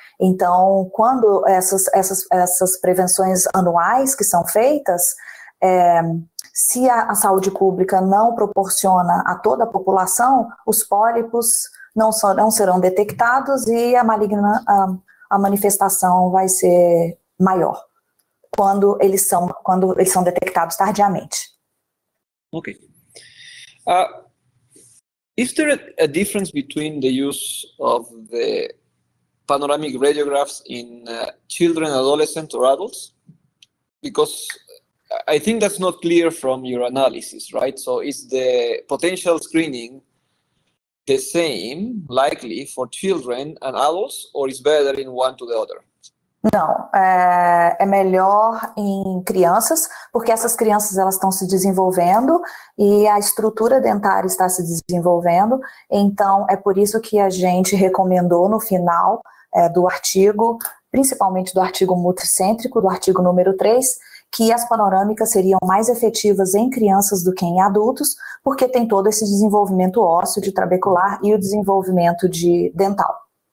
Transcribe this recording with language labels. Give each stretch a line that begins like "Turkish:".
Portuguese: Então, quando essas prevenções anuais que são feitas, se a saúde pública não proporciona a toda a população, os pólipos não serão detectados e a manifestação vai ser maior quando eles são detectados tardiamente. Ok.
English: Is there a difference between the use of the panoramic radiographs in children, adolescents, or adults? Because I think that's not clear from your analysis, right? So is the potential screening the same, likely, for children and adults, or is better in one to the other?
Portuguese: Não, é melhor em crianças, porque essas crianças elas estão se desenvolvendo e a estrutura dentária está se desenvolvendo, então é por isso que a gente recomendou no final do artigo, principalmente do artigo multicêntrico, do artigo número 3, que as panorâmicas seriam mais efetivas em crianças do que em adultos, porque tem todo esse desenvolvimento ósseo de trabecular e o desenvolvimento de dental.